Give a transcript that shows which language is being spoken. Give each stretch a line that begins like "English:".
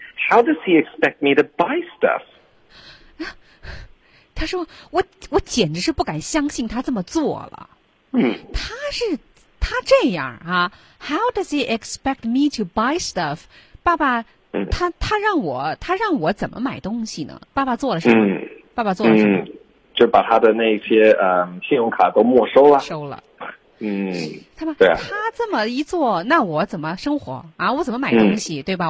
English: How does he expect me to buy stuff?
Chinese: 他说我简直是不敢相信他这么做了。嗯，
English: 他这样啊，How does he expect me to buy stuff？
Chinese: 爸爸，他让我怎么买东西呢？爸爸做了什么？爸爸做了什么？就把他的那些信用卡都没收了。收了。嗯，他吧，他这么一做，那我怎么生活啊？我怎么买东西？对吧？